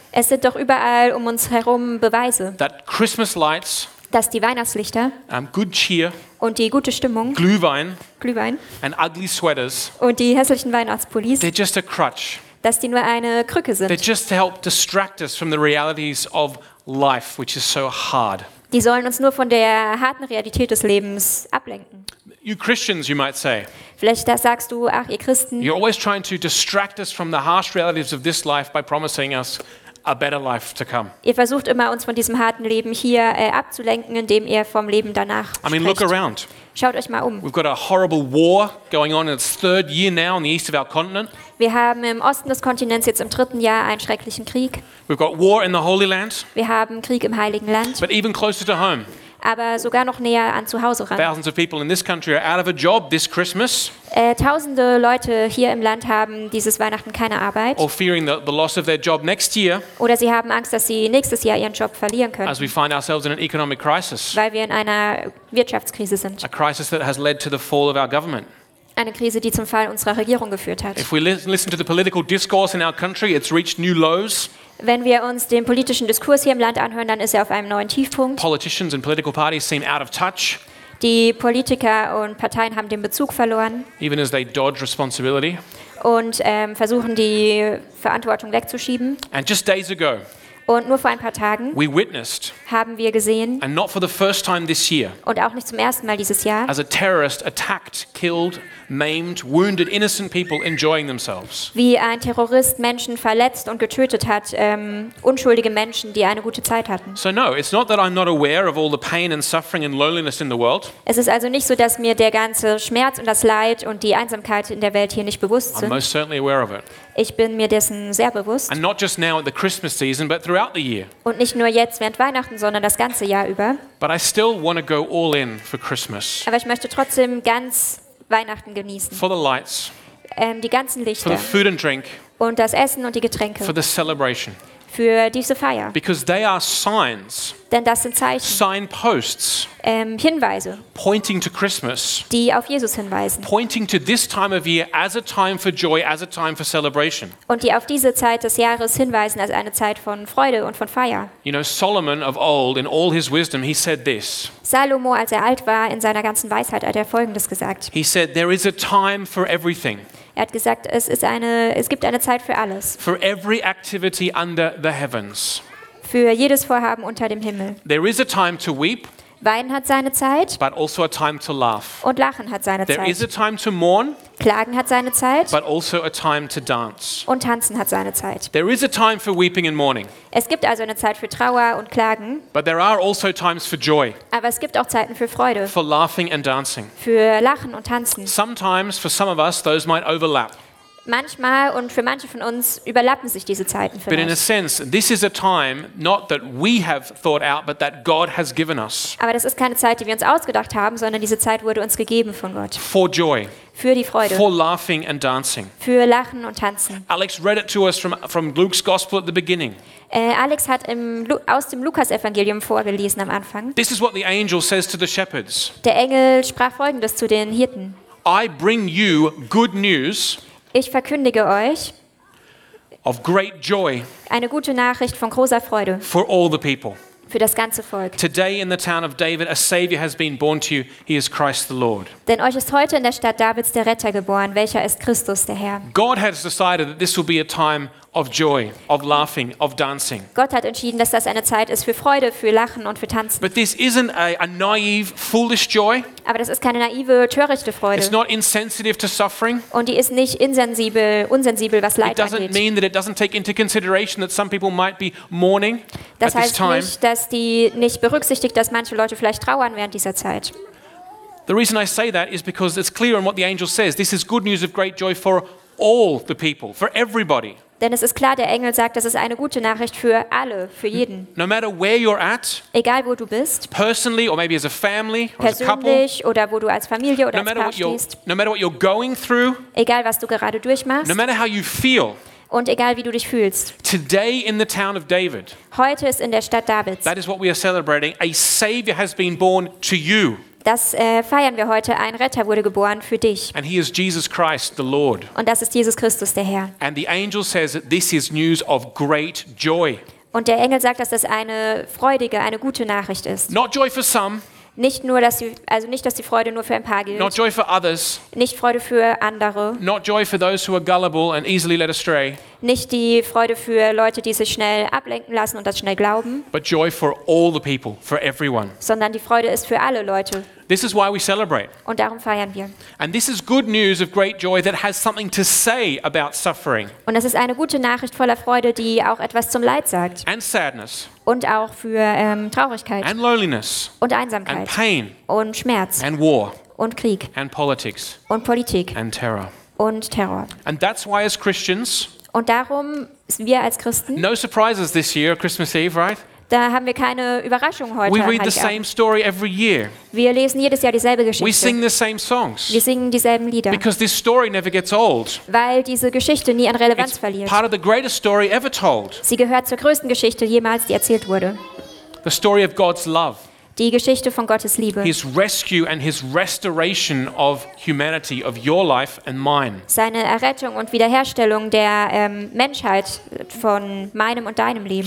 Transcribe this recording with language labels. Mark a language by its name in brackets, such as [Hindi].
[German] Es sind doch überall um uns herum Beweise. [English] That Christmas lights, [German] dass die Weihnachtslichter, [English] good cheer, [German] und die gute Stimmung, Glühwein, [English] and ugly sweaters, [German] und die hässlichen Weihnachtspullis, [English] they're just a crutch, [German] dass die nur eine Krücke sind. [English] They're just to help distract us from the realities of life, which is so hard. [German] Die sollen uns nur von der harten Realität des Lebens ablenken. [English] You Christians, you might say. [German] Vielleicht sagst du, ach ihr Christen. [English] You're always trying to distract us from the harsh realities of this life by promising us a better life to come. [German] Ihr versucht immer uns von diesem harten Leben hier abzulenken, indem ihr vom Leben danach spricht. [English] I mean, look around. [German] Schaut euch mal um. [English] We've got a horrible war going on in its third year now in the east of our continent. [German] Wir haben im Osten des Kontinents jetzt im dritten Jahr einen schrecklichen Krieg. [English] We've got war in the Holy Land. [German] Wir haben Krieg im Heiligen Land. [English] But even closer to home. [German] Aber sogar noch näher an zu Hause ran. [English] Thousands of people in this country are out of a job this Christmas. [German] Tausende Leute hier im Land haben dieses Weihnachten keine Arbeit. [English] Or fearing the loss of their job next year. [German] Oder sie haben Angst, dass sie nächstes Jahr ihren Job verlieren können. [English] As we find ourselves in an economic crisis. [German] Weil wir in einer Wirtschaftskrise sind. [English] A crisis that has led to the fall of our government. [German] Eine Krise, die zum Fall unserer Regierung geführt hat. [English] If we listen to the political discourse in our country, it's reached new lows. [German] Wenn wir uns den politischen Diskurs hier im Land anhören, dann ist er auf einem neuen Tiefpunkt. [English] Politicians and political parties seem out of touch. [German] Die Politiker und Parteien haben den Bezug verloren. [English] Even as they dodge responsibility. [German] Und versuchen die Verantwortung wegzuschieben. [English] And just days ago. [German] Und nur vor ein paar Tagen [English] we witnessed, [German] haben wir gesehen, [English] and not for the first time this year, [German] und auch nicht zum ersten Mal dieses Jahr, [English] as a terrorist attacked, killed, maimed, wounded innocent people enjoying themselves. [German] Wie ein Terrorist Menschen verletzt und getötet hat, unschuldige Menschen, die eine gute Zeit hatten. [English] So no, it's not that I'm not aware of all the pain and suffering and loneliness in the world. [German] Es ist also nicht so, dass mir der ganze Schmerz und das Leid und die Einsamkeit in der Welt hier nicht bewusst sind. [English] I'm most certainly aware of it. [German] Ich bin mir dessen sehr bewusst. [English] And not just now at the Christmas season, but throughout the year. [German] Und nicht nur jetzt während Weihnachten, sondern das ganze Jahr über. [English] But I still want to go all in for Christmas. [German] Aber ich möchte trotzdem ganz Weihnachten genießen. [English] For the lights. [German] Die ganzen Lichter. [English] For the food and drink. [German] Und das Essen und die Getränke. [English] For the celebration. [German] Für diese Feier. [English] Because they are signs. [German] Denn das sind Zeichen. [English] Signposts. [German] Hinweise. [English] Pointing to Christmas. [German] Die auf Jesus hinweisen. [English] Pointing to this time of year as a time for joy, as a time for celebration. [German] Und die auf diese Zeit des Jahres hinweisen als eine Zeit von Freude und von Feier. [English] You know, Solomon of old, in all his wisdom, he said this. [German] Salomo, als er alt war, in seiner ganzen Weisheit, hat er Folgendes gesagt. [English] He said, there is a time for everything. [German] Er hat gesagt, es gibt eine Zeit für alles. [English] For every activity under the heavens. [German] Für jedes Vorhaben unter dem Himmel. [English] There is a time to weep. [German] Weinen hat seine Zeit. [English] But also a time to laugh. [German] Und Lachen hat seine [English] There [German] Zeit. [English] Is a time to mourn. [German] Klagen hat seine Zeit. [English] But also a time to dance. [German] Und Tanzen hat seine Zeit. [English] There is a time for weeping and mourning. [German] Es gibt also eine Zeit für Trauer und Klagen. [English] But there are also times for joy. [German] Aber es gibt auch Zeiten für Freude. [English] For laughing and dancing. [German] Für Lachen und Tanzen. [English] Sometimes for some of us those might overlap. [German] Manchmal und für manche von uns überlappen sich diese Zeiten vielleicht. [English] But in a sense, this is a time not that we have thought out, but that God has given us. [German] Aber das ist keine Zeit, die wir uns ausgedacht haben, sondern diese Zeit wurde uns gegeben von Gott. [English] For joy. [German] Für die Freude. [English] For laughing and dancing. [German] Für Lachen und Tanzen. [English] Alex read it to us from Luke's Gospel at the beginning. [German] Alex hat aus dem Lukas-Evangelium vorgelesen am Anfang. [English] This is what the angel says to the shepherds. [German] Der Engel sprach Folgendes zu den Hirten. [English] I bring you good news. [German] Ich verkündige euch [English] of great joy [German] eine gute Nachricht von großer Freude [English] for all the people. [German] Für das ganze Volk. [English] Today in the town of David a Savior has been born to you. He is Christ the Lord. [German] Denn euch ist heute in der Stadt Davids der Retter geboren, welcher ist Christus der Herr. [English] God has decided that this will be a time of joy, of laughing, of dancing. [German] Gott hat entschieden, dass das eine Zeit ist für Freude, für Lachen und für Tanzen. [English] But this isn't a naive, foolish joy. [German] Aber das ist keine naive, törichte Freude. [English] It's not insensitive to suffering. [German] Und die ist nicht unsensibel, was Leid angeht. [English] It doesn't mean that it doesn't take into consideration that some people might be mourning at this time. [German] Das heißt nicht, dass die nicht berücksichtigt, dass manche Leute vielleicht trauern während dieser Zeit. [English] The reason I say that is because it's clear in what the angel says. This is good news of great joy for all the people, for everybody. [German] Denn es ist klar, der Engel sagt, das ist eine gute Nachricht für alle, für jeden. [English] No matter where you're at, [German] egal wo du bist, [English] personally or maybe as a family or [German] persönlich [English] as a couple, [German] oder wo du als Familie oder als Paar stehst, [English] no matter what you're going through, [German] egal was du gerade durchmachst, [English] no matter how you feel, [German] und egal wie du dich fühlst, [English] today in the town of David, [German] heute ist in der Stadt Davids, [English] that is what we are celebrating, a Savior has been born to you. [German] Das feiern wir heute. Ein Retter wurde geboren für dich. [English] And he is Jesus Christ, the Lord. [German] Und das ist Jesus Christus, der Herr. [English] And the angel says that this is news of great joy. [German] Und der Engel sagt, dass das eine freudige, eine gute Nachricht ist. [English] Not joy for some. [German] Nicht nur, dass sie, also nicht, dass die Freude nur für ein paar gilt. [English] Not joy for others. [German] Nicht Freude für andere. [English] Not joy for those who are gullible and easily led astray. [German] Nicht die Freude für Leute, die sich schnell ablenken lassen und das schnell glauben. [English] But joy for all the people, for everyone. [German] Sondern die Freude ist für alle Leute. [English] This is why we celebrate. [German] Und darum feiern wir. [English] And this is good news of great joy that has something to say about suffering. [German] Und das ist eine gute Nachricht voller Freude, die auch etwas zum Leid sagt. [English] And sadness. [German] Und auch für Traurigkeit. [English] And loneliness. [German] Und Einsamkeit. [English] And pain. [German] Und Schmerz. [English] And war. [German] Und Krieg. [English] And politics. [German] Und Politik. [English] And terror. [German] Und Terror. [English] And that's why as Christians. [German] Und darum wir als Christen. [English] No surprises this year, Christmas Eve, right? [German] Da haben wir keine Überraschung heute. [English] We read the same story every year. [German] Wir lesen jedes Jahr dieselbe Geschichte. [English] We sing the same songs. [German] Wir singen dieselben Lieder. [English] Because this story never gets old. [German] Weil diese Geschichte nie an Relevanz verliert. [English] Part of the greatest story ever told. [German] Sie gehört zur größten Geschichte jemals, die erzählt wurde. [English] The story of God's love. [German] Die Geschichte von Gottes Liebe. [English] His rescue and his restoration of humanity, of your life and mine. [German] Seine Errettung und Wiederherstellung der Menschheit von meinem und deinem Leben.